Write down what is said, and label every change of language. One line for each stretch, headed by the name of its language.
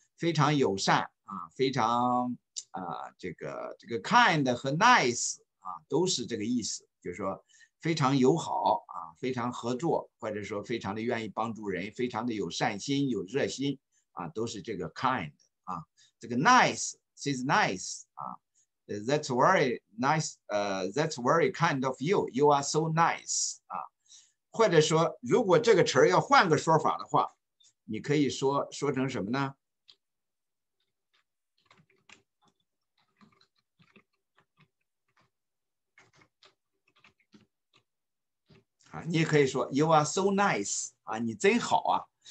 Chinese: 非常友善啊，非常啊，这个 kind 和 nice 啊都是这个意思，就是说非常友好啊，非常合作，或者说非常的愿意帮助人，非常的有善心、有热心啊，都是这个 kind 啊。这个
English: nice is nice 啊 ，that's very nice， that's very kind of you， you are so nice 啊。
Chinese: 或者说如果这个词要换个说法的话，你可以说成什么呢？啊，你可以说
English: You are so nice
Chinese: 啊，你真好啊。